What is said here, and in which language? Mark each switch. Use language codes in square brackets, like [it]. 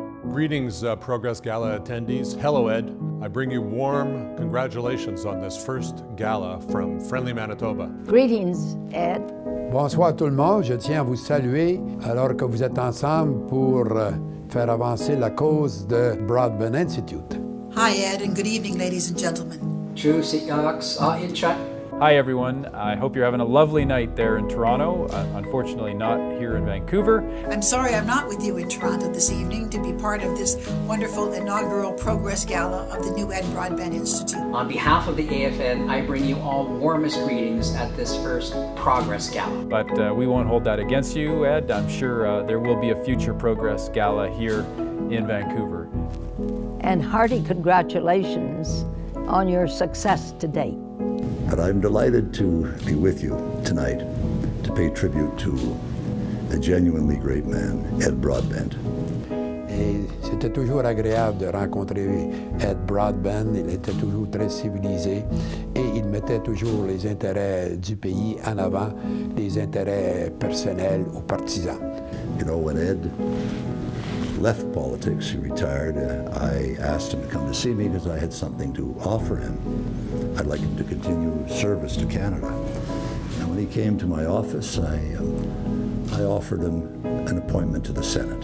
[en] Greetings, Progress Gala attendees. Hello, Ed. I bring you warm congratulations on this first gala from friendly Manitoba. Greetings, Ed. [fr] Bonsoir tout le monde. Je tiens à vous saluer alors que vous êtes ensemble pour faire avancer la cause de Broadbent Institute. [en] Hi, Ed, and good evening, ladies and gentlemen. True, sit your locks are in chat. Hi, everyone. I hope you're having a lovely night there in Toronto. Unfortunately, not here in Vancouver. I'm sorry I'm not with you in Toronto this evening to be part of this wonderful inaugural Progress Gala of the new Ed Broadbent Institute. On behalf of the AFN, I bring you all warmest greetings at this first Progress Gala. But we won't hold that against you, Ed. I'm sure there will be a future Progress Gala here in Vancouver. And hearty congratulations on your success to date. But I'm delighted to be with you tonight to pay tribute to a genuinely great man, Ed Broadbent. [fr] Et c'était toujours agréable de rencontrer Ed Broadbent. Il était toujours très civilisé et il mettait toujours les intérêts du pays en avant, les intérêts personnels ou partisans. [en] You know, when Ed left politics, he retired, I asked him to come to see me because I had something to offer him. I'd like him to continue service to Canada. And when he came to my office, I offered him an appointment to the Senate.